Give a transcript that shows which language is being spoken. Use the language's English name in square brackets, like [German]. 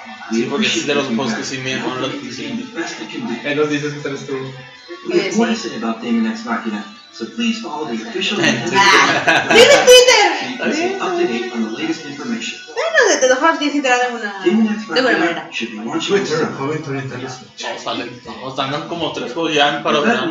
[Spanish] Sí, porque es de los juegos que sí me llaman la atención. Ahí nos dices que sabes tú. [English] We have more to say about Damon X Machina, so please follow the official [Spanish] Twitter. ¡Tiene Twitter! [English] And stay up to date on the latest information. [Spanish] Bueno, de todos modos, tienes que enterar de una manera. Twitter, joven, tú entras. Chau, sale. No, están como tres juegos ya en paro.